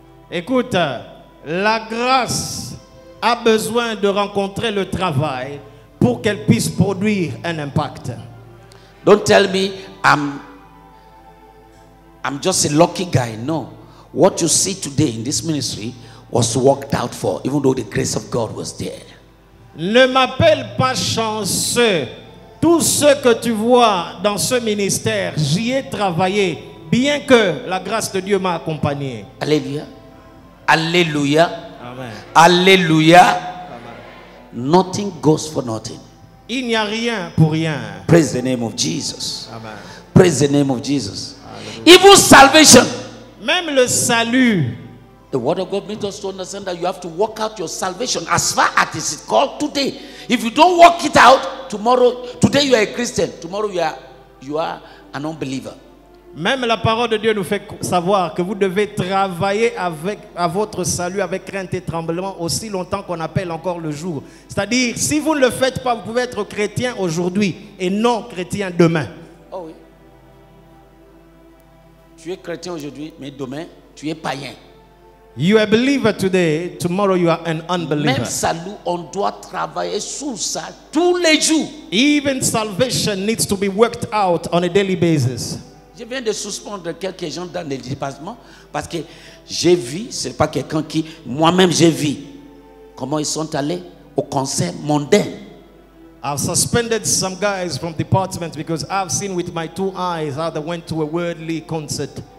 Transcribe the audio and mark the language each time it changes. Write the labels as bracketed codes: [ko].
[fr] Écoute, la grâce a besoin de rencontrer le travail pour qu'elle puisse produire un impact. [en] Don't tell me I'm just a lucky guy. No. What you see today in this ministry was worked out for, even though the grace of God was there. [fr] Ne m'appelle pas chanceux. Tout ce que tu vois dans ce ministère, j'y ai travaillé, bien que la grâce de Dieu m'a accompagné. Alléluia. Alléluia. Amen. Alléluia. Amen. [en] Nothing goes for nothing. [fr] Il n'y a rien pour rien. [en] Praise the name of Jesus. Amen. Praise the name of Jesus. Alléluia. Even salvation. [fr] Même le salut. [en] The word of God means us to understand that you have to work out your salvation as far as it is called today. If you don't work it out, tomorrow, today you are a Christian. Tomorrow you are an unbeliever. [fr] Même la parole de Dieu nous fait savoir que vous devez travailler à votre salut avec crainte et tremblement aussi longtemps qu'on appelle encore le jour. C'est-à-dire, si vous ne le faites pas, vous pouvez être chrétien aujourd'hui et non chrétien demain. Oh oui. Tu es chrétien aujourd'hui, mais demain, tu es païen. [en] You are a believer today, tomorrow you are an unbeliever. [fr] Même salut, on doit travailler sur ça tous les jours. [en] Even salvation needs to be worked out on a daily basis. [fr] Je viens de suspendre quelques gens dans le département parce que j'ai vu, ce n'est pas quelqu'un qui, moi-même j'ai vu comment ils sont allés au concert mondain. [en] I've suspended some guys from departments because I've seen with my two eyes how they went to a worldly concert.